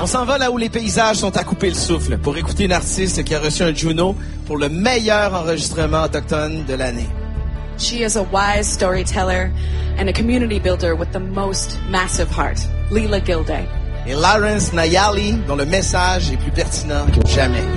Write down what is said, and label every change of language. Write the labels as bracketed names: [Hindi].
[French] On s'en va là où les paysages sont à couper le souffle pour écouter une artiste qui a reçu un Juno pour le meilleur enregistrement autochtone de l'année. [English] She is a wise storyteller and a community builder with the most massive heart, Leela Gilday. [French] Et Lawrence Nayali, dont le message est plus pertinent que jamais.